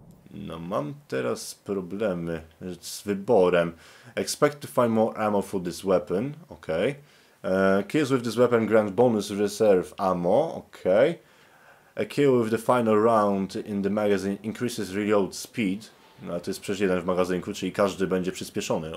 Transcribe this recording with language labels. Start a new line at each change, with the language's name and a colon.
Polish: No mam teraz problemy z wyborem.
English: Expect to find more ammo for this weapon. Ok. Kills with this weapon grant bonus reserve ammo. Ok. A kill with the final round in the magazine increases reload speed.
Polish: No to jest przecież jeden w magazynku, czyli każdy będzie przyspieszony.